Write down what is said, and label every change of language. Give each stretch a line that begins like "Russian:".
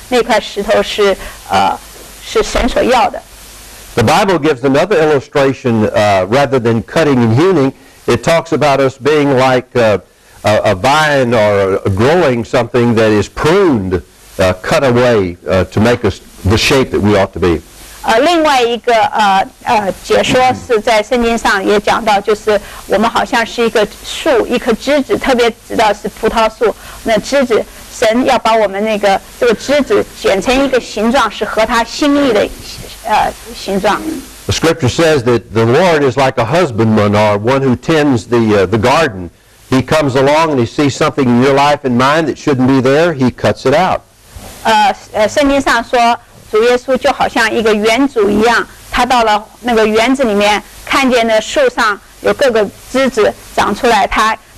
Chinese: 但是虽然你们比我年轻很多,但是神也在你们每一个个人的身上做工,就把你们这块石头修剪成一块合神心意的样式的尺寸,当你们去到你们合场工作的时候,那块石头是神所要的。
English: The Bible gives another illustration rather than cutting and hewing. It talks about us being like a vine or growing something that is pruned, cut away to make us the shape that we ought to be.
Chinese: 另外一个解说是在圣经上也讲到，就是我们好像是一个树，一个枝子，特别知道是葡萄树。那枝子，神要把我们那个这个枝子剪成一个形状，是合他心意的形状。
English: The scripture says that the Lord is like a husbandman or one who tends the garden. He comes along and he sees something in your life and mine that shouldn't be there, he cuts it out.
Chinese: 圣经上说主耶稣就好像一个园主一样，他到了那个园子里面，看见那树上有各个枝子长出来，他